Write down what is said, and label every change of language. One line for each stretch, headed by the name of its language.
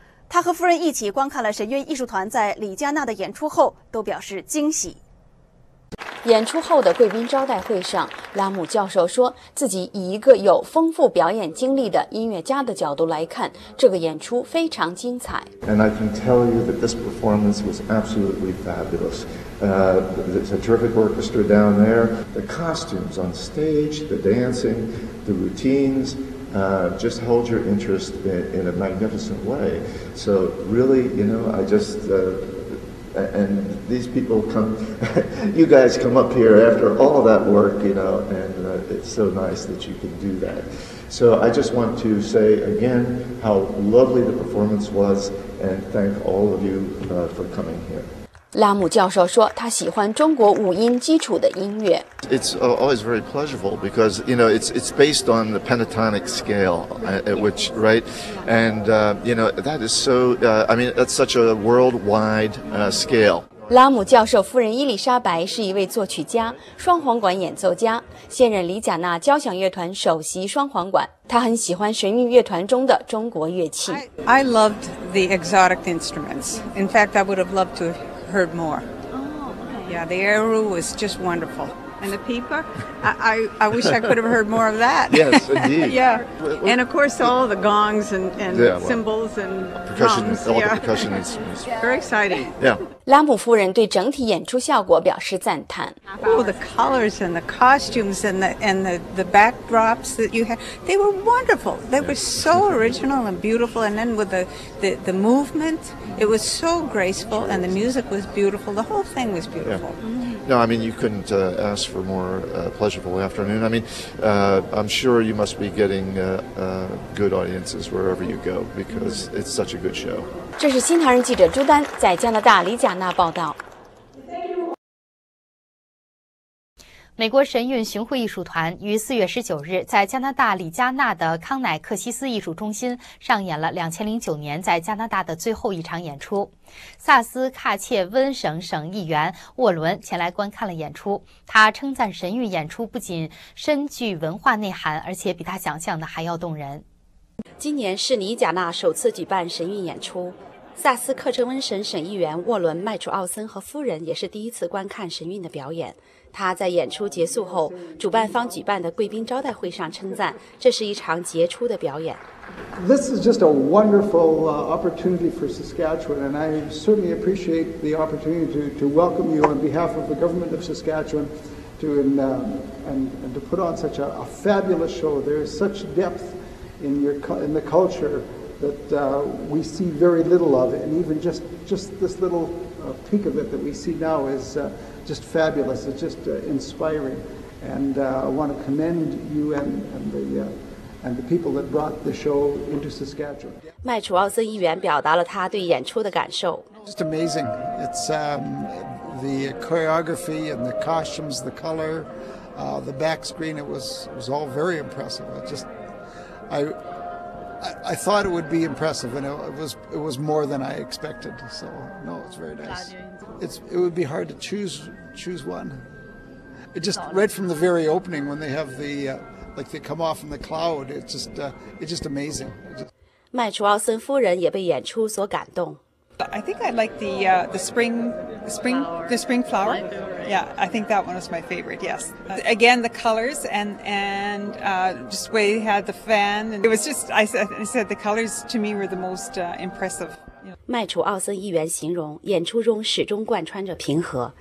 Chinese: 他和夫人一起观看了神韵艺术团在李加纳的演出后都表示惊喜。演出后的贵宾招待会上，拉姆教授说自己以一个有丰富表演经历的音乐家的角度来看，这个演出非常精彩。
English: And I can tell you that this performance was absolutely fabulous. There's a terrific orchestra down there. The costumes on stage, the dancing, the routines,just hold your interest in a magnificent way. So really, you know, I just, and these people come, you guys come up here after all that work, you know, and it's so nice that you can do that. So I just want to say again how lovely the performance was and thank all of you for coming here.
Chinese: 拉姆教授说他喜欢中国五音基础的音乐。
English: It's always very pleasurable because, you know, it's based on the pentatonic scale, which, right? And, you know, that is so, I mean, that's such a worldwide scale.
Chinese: 拉姆教授夫人伊丽莎白是一位作曲家、双簧管演奏家，现任李加纳交响乐团首席双簧管。他很喜欢神韵乐团中的中国乐器。
English: I loved the exotic instruments. In fact, I would have loved to... heard more. Yeah, the eru was just wonderful. And the pipa, I wish I could have heard more of that. Yes, indeed. Yeah. And of course, all the gongs and cymbals and percussion, drums. All the percussion instruments. Very exciting. Yeah.
Chinese: 拉姆夫人对整体演出效果表示赞叹。
English: Oh, the colors and the costumes and the backdrops that you had, they were wonderful. They were so original and beautiful. And then with the movement, it was so graceful. And the music was beautiful. The whole thing was beautiful. Yeah. No, I mean, you couldn't ask for more pleasurable afternoon. I mean, I'm sure you must be getting good audiences wherever you go because it's such a good show.
Chinese: 这是新唐人记者朱丹在加拿大李加纳报道。美国神韵巡回艺术团于4月19日在加拿大李加纳的康乃克西斯艺术中心上演了2009年在加拿大的最后一场演出。萨斯喀切温省省议员沃伦前来观看了演出，他称赞神韵演出不仅深具文化内涵，而且比他想象的还要动人。今年是李加纳首次举办神韵演出，萨斯克彻温省省议员沃伦·麦楚奥森和夫人也是第一次观看神韵的表演。他在演出结束后，主办方举办的贵宾招待会上称赞，这是一场杰出的表演。
English: This is just a wonderful opportunity for Saskatchewan, and I certainly appreciate the opportunity to welcome you on behalf of the government of Saskatchewan to put on such a fabulous show. There is such depth. In the culture that we see very little of, and even just this little peek of it that we see now is just fabulous. It's just inspiring, and I want to commend you and the people that brought the show into Saskatchewan.
Chinese: 麦楚奥森议员表达了他对演出的感受。
English: Just amazing. It's the choreography and the costumes, the color, The back screen, it was all very impressive. I thought it would be impressive, and it was more than I expected. So no, it's very nice. It would be hard to choose one. It just right from the very opening when they have the like they come off in the cloud. It's just amazing.
Chinese: 麦楚奥森夫人也被演出所感动。
English: I think I like the spring flower. Yeah, I think that one was my favorite. Yes. Again, the colors and just the way they had the fan. And it was just, I said the colors to me were the most impressive.
Chinese: 麦楚奥森议员形容演出中始终贯穿着平和。